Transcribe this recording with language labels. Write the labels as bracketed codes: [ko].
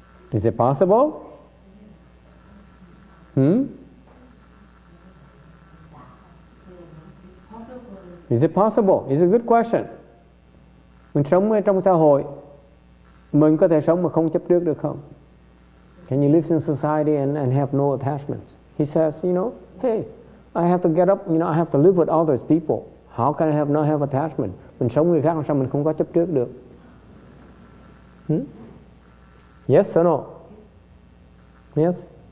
[en] Is it possible? Is it possible? It's a good question. [vi] Mình sống ở trong xã hội, mình có thể sống mà không chấp trước được không? [en] Can you live in society and have no attachments? He says, you know, hey, I have to get up, you know, I have to live with all those people. How can I have not have attachment? [vi] Mình sống người khác làm sao mình không có chấp trước được? [en] Yes or no? Yes?